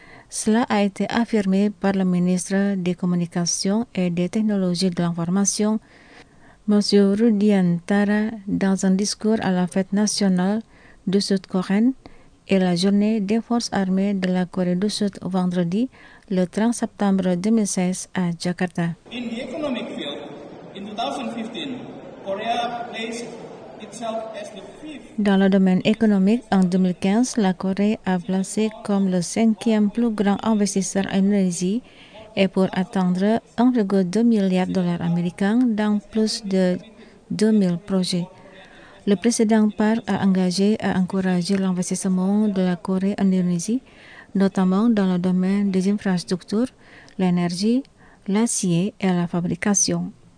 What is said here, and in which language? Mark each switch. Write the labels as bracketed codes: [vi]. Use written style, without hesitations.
[fr] Cela a été affirmé par le ministre des Communications et des Technologies de l'Information, M. Rudian Tara, dans un discours à la fête nationale du Sud-Coréenne et la journée des forces armées de la Corée du Sud vendredi, le 30 septembre 2016 à Jakarta. [en] In the economic field, in 2015, Korea placed itself as the fifth... [fr] Dans le domaine économique, en 2015, la Corée a placé comme le 5e plus grand investisseur en Indonésie et pour atteindre 1,2 milliard de dollars américains dans plus de 2 000 projets. Le président Park a engagé à encourager l'investissement de la Corée en Indonésie, notamment dans le domaine des infrastructures, l'énergie, l'acier et la fabrication.